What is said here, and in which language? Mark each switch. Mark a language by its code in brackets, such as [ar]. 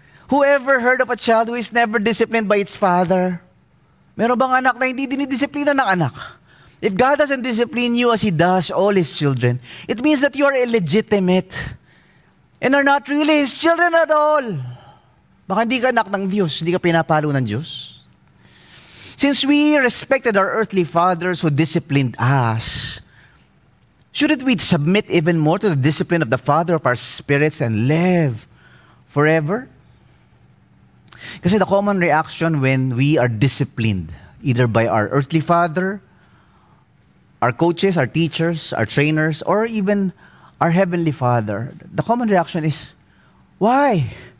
[en] Whoever heard of a child who is never disciplined by its father? [tl] Meron bang anak na hindi dinidisiplina ng anak? [en] If God doesn't discipline you as He does all His children, it means that you are illegitimate and are not really His children at all. [tl] Baka hindi ka anak ng Diyos, hindi ka pinapalo ng Diyos. [en] Since we respected our earthly fathers who disciplined us, shouldn't we submit even more to the discipline of the Father of our spirits and live forever? Kasi the common reaction when we are disciplined, either by our earthly father, our coaches, our teachers, our trainers, or even our heavenly father, the common reaction is, why?